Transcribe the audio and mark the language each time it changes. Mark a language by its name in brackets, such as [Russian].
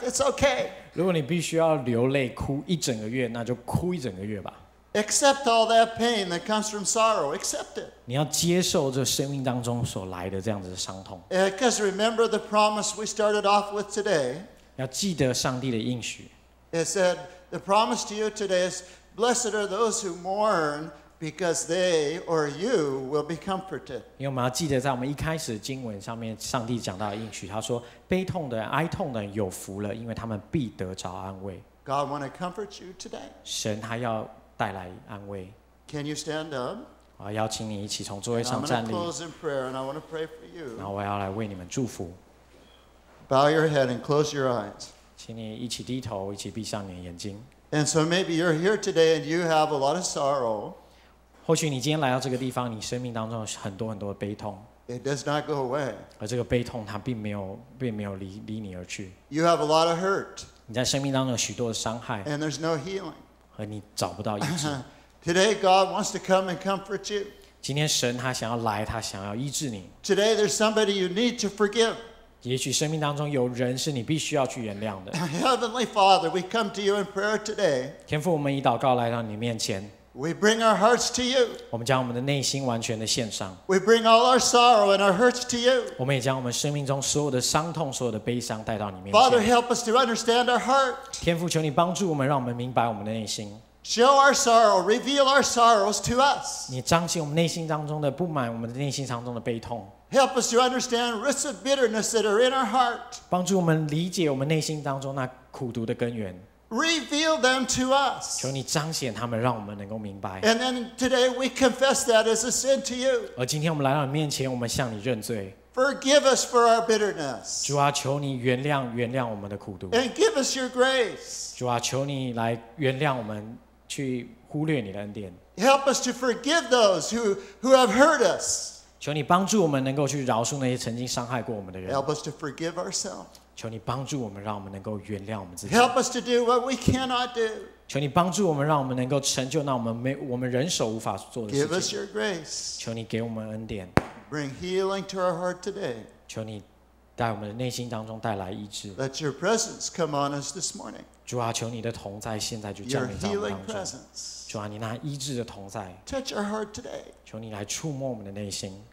[English] It's okay. [Chinese] 如果你必须要流泪哭一整个月，那就哭一整个月吧。 [English] Accept all that pain that comes from sorrow. Accept it. [Chinese] 你要接受这生命当中所来的这样子的伤痛。 [English] Because remember the promise we started off with today. [Chinese] 要记得上帝的应许。 [English] It said the promise to you today is, "Blessed are those who mourn, because they or you will be comforted." [Chinese] 因为我们要记得，在我们一开始的经文上面，上帝讲到的应许，他说。悲痛的人、哀痛的人有福了，因为他们必得着安慰。 [English] God want to comfort you today. [Chinese] 神他要带来安慰。 [English] Can you stand up? [Chinese] 我邀请你一起从座位上站立。 [English] I'm going to close in prayer, and I want to pray for you. [Chinese] 然后我要来为你们祝福。 [English] Bow your head and close your eyes. [Chinese] 请你一起低头，一起闭上你的眼睛。 [English] And so maybe you're here today, and you have a lot of sorrow. [Chinese] 或许你今天来到这个地方，你生命当中有很多很多的悲痛。 [English] It does not go away. [Chinese] 而这个悲痛它并没有 离你而去。 [English] You have a lot of hurt. [Chinese] 你在生命当中有许多的伤害。 [English] And there's no healing. [Chinese] 而你找不到医治。 [English] Today God wants to come and comfort you. [Chinese] 今天神他想要来，他想要医治你。 [English] Today there's somebody you need to forgive. [Chinese] 也许生命当中有人是你必须要去原谅的。 [English] Heavenly Father, we come to you in prayer today. [Chinese] 天父，我们以祷告来到你面前。 [English] We bring our hearts to you. [Chinese] 我们将我们的内心完全的献上。 [English] We bring all our sorrow and our hurts to you. [Chinese] 我们也将我们生命中所有的伤痛、所有的悲伤带到你面前。 [English] Father, help us to understand our heart. [Chinese] 天父，求你帮助我们，让我们明白我们的内心。 [English] Show our sorrow, reveal our sorrows to us. [Chinese] 你彰显我们内心当中的不满，我们的内心当中的悲痛。 [English] Help us to understand roots of bitterness that are in our heart. [Chinese] 帮助我们理解我们内心当中那苦毒的根源。 [English] Reveal them to us. [Chinese] 求你彰显他们，让我们能够明白。 [English] And then today we confess that as a sin to you. [Chinese] 而今天我们来到你面前，我们向你认罪。 [English] Forgive us for our bitterness. [Chinese] 主啊，求你原谅我们的苦毒。 [English] And give us your grace. [Chinese] 主啊，求你来原谅我们，去忽略你的恩典。 [English] Help us to forgive those who have hurt us. [Chinese] 求你帮助我们能够去饶恕那些曾经伤害过我们的人。 [English] Help us to forgive ourselves. [Chinese] 求你帮助我们，让我们能够原谅我们自己。 [English] Help us to do what we cannot do. [Chinese] 求你帮助我们，让我们能够成就那我们人手无法做的事情。 [English] Give us your grace. [Chinese] 求你给我们恩典。 [English] Bring healing to our heart today. [Chinese] 求你在我们的内心当中带来医治。 [English] Let your presence come on us this morning. [Chinese] 主啊，求你的同在现在就降临在我们当中。 [English] Your healing presence. [Chinese] 主啊，你那医治的同在。 [English] Touch our heart today. [Chinese] 求你来触摸我们的内心。